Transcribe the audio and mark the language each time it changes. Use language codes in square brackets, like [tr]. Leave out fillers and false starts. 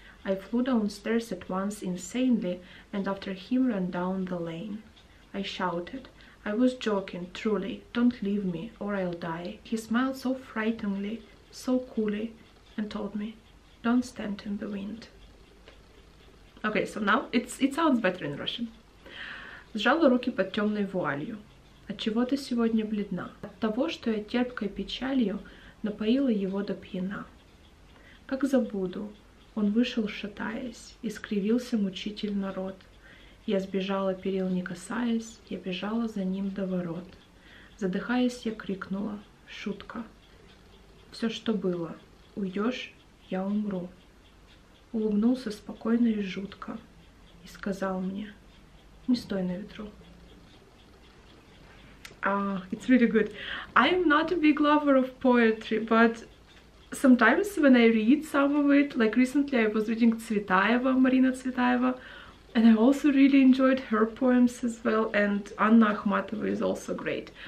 [en] I flew downstairs at once insanely and after him ran down the lane. I shouted, I was joking, truly, don't leave me or I'll die. He smiled so frighteningly, so coolly, and told me, don't stand in the wind. Okay, so now it sounds better in Russian. [ru] Сжала руки под темной вуалью. Отчего ты сегодня бледна? От того, что я терпкой печалью напоила его до пьяна. Как забуду, он вышел шатаясь, искривился мучительно рот. Я сбежала, перил не касаясь, я бежала за ним до ворот. Задыхаясь, я крикнула, шутка. Все, что было, уйдешь, я умру. Улыбнулся спокойно и жутко и сказал мне, не стой на ветру. [en] It's really good. I'm not a big lover of poetry, but sometimes when I read some of it, like recently I was reading Цветаева, Марина Цветаева, and I also really enjoyed her poems as well, and Anna Akhmatova is also great.